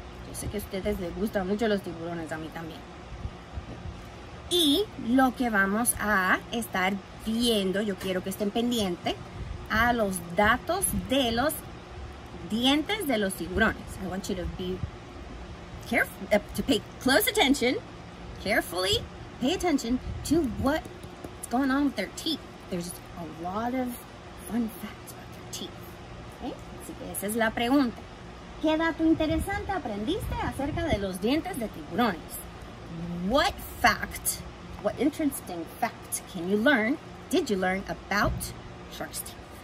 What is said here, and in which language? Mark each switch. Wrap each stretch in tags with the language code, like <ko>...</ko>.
<es>Yo sé que a ustedes les gustan mucho los tiburones, a mí también. Y lo que vamos a estar viendo, yo quiero que estén pendientes a los datos de los dientes de los tiburones.</es> <en>I want you to be careful, to pay close attention, carefully pay attention to what going on with their teeth. There's a lot of fun facts about their teeth.</en> <es>¿Okay? Así que esa es la pregunta. ¿Qué dato interesante aprendiste acerca de los dientes de tiburones?</es> <en>What fact, what interesting fact can you learn, did you learn about shark's teeth?</en>